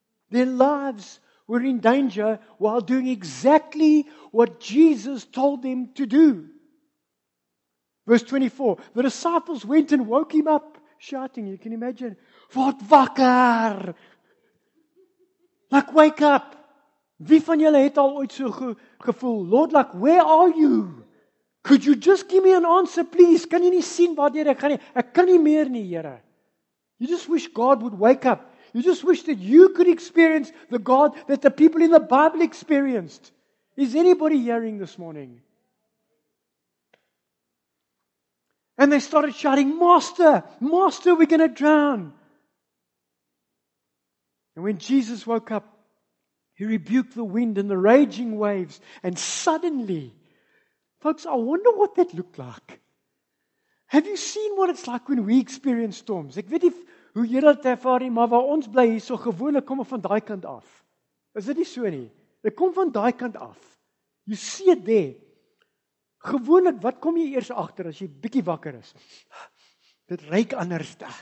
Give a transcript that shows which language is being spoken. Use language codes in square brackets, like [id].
[en] Their lives were in danger while doing exactly what Jesus told them to do. Verse 24. The disciples went and woke him up, shouting, you can imagine, [af] "Wat wakker!" [en] Like, wake up. [af] Wie van julle het al ooit so gevoel? [en] Lord, like, where are you? Could you just give me an answer, please? [af] Kan jy nie sien waartoe ek gaan nie? Ek kan nie meer nie, Here. [en] You just wish God would wake up. You just wish that you could experience the God that the people in the Bible experienced. Is anybody hearing this morning? And they started shouting, Master, Master, we're going to drown. And when Jesus woke up, he rebuked the wind and the raging waves, and suddenly, folks, I wonder what that looked like. Have you seen what it's like when we experience storms? [af] Ek weet nie hoe jy dit ervaar nie, maar waar ons bly hier so gewoonlik kom van daai kant af. Is dit nie so nie? Dit kom van daai kant af. [en] You see it there. [af] Gewoonlik, wat kom jy eers agter as jy bietjie wakker is? Dit ruik anders.